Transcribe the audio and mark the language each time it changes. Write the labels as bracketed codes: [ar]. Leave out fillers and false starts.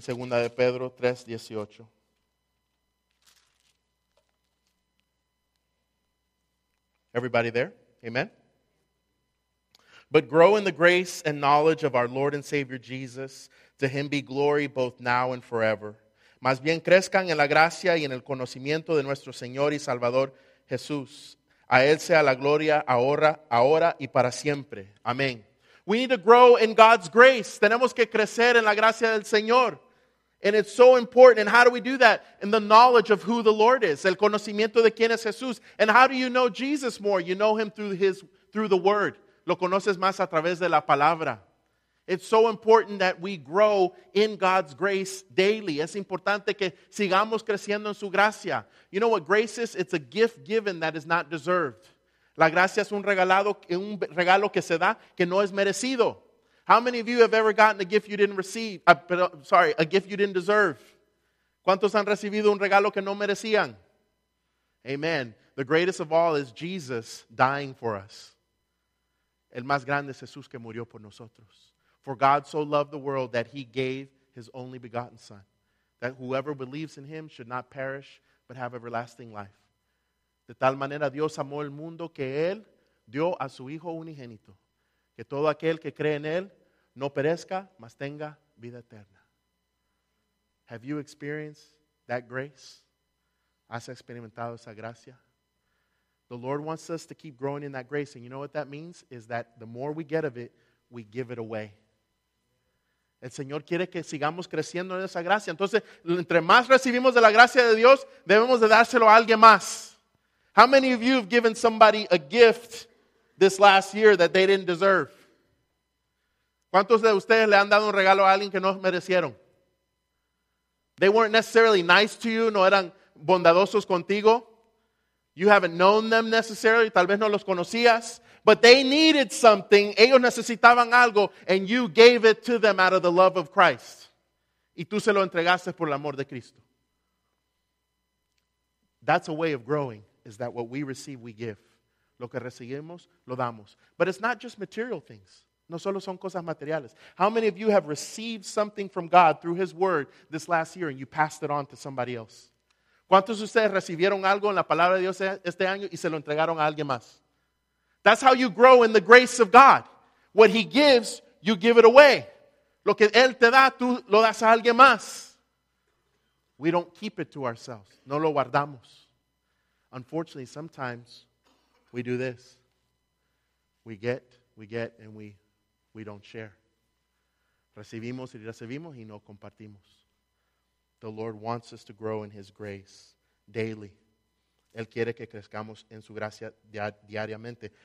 [es] 2 de Pedro 3, 18. [en] Everybody there? Amen? But grow in the grace and knowledge of our Lord and Savior Jesus. To him be glory both now and forever. [es] Más bien crezcan en la gracia y en el conocimiento de nuestro Señor y Salvador Jesús. A él sea la gloria ahora, ahora y para siempre. Amén. [en] We need to grow in God's grace. [es] Tenemos que crecer en la gracia del Señor. [en] And it's so important. And how do we do that? In the knowledge of who the Lord is. [es] El conocimiento de quién es Jesús. [en] And how do you know Jesus more? You know him through the word. [es] Lo conoces más a través de la palabra. [en] It's so important that we grow in God's grace daily. [es] Es importante que sigamos creciendo en su gracia. [en] You know what grace is? It's a gift given that is not deserved. [es] La gracia es un regalo que se da que no es merecido. [en] How many of you have ever gotten a gift you didn't receive? A gift you didn't deserve. [es] ¿Cuántos han recibido un regalo que no merecían? [en] Amen. The greatest of all is Jesus dying for us. [es] El más grande es Jesús que murió por nosotros. [en] For God so loved the world that he gave his only begotten son. That whoever believes in him should not perish but have everlasting life. [es] De tal manera Dios amó el mundo que él dio a su Hijo unigénito. Que todo aquel que cree en él no perezca, mas tenga vida eterna. [en] Have you experienced that grace? [es] ¿Has experimentado esa gracia? [en] The Lord wants us to keep growing in that grace. And you know what that means? Is that the more we get of it, we give it away. [es] El Señor quiere que sigamos creciendo en esa gracia. Entonces, entre más recibimos de la gracia de Dios, debemos de dárselo a alguien más. [en] How many of you have given somebody a gift this last year that they didn't deserve? [es] ¿Cuántos de ustedes le han dado un regalo a alguien que no merecieron? [en] They weren't necessarily nice to you, [es] no eran bondadosos contigo. [en] You haven't known them necessarily, [es] tal vez no los conocías. [en] But they needed something, [es] ellos necesitaban algo, [en] and you gave it to them out of the love of Christ. [es] Y tú se lo entregaste por el amor de Cristo. [en] That's a way of growing. Is that what we receive, we give. [es] Lo que recibimos, lo damos. [en] But it's not just material things. [es] No solo son cosas materiales. [en] How many of you have received something from God through his word this last year and you passed it on to somebody else? [es] ¿Cuántos de ustedes recibieron algo en la palabra de Dios este año y se lo entregaron a alguien más? [en] That's how you grow in the grace of God. What he gives, you give it away. [es] Lo que él te da, tú lo das a alguien más. [en] We don't keep it to ourselves. [es] No lo guardamos. [en] Unfortunately, sometimes we do this. We get, and we don't share. [es] Recibimos y recibimos y no compartimos. [en] The Lord wants us to grow in his grace daily. [es] Él quiere que crezcamos en su gracia diariamente.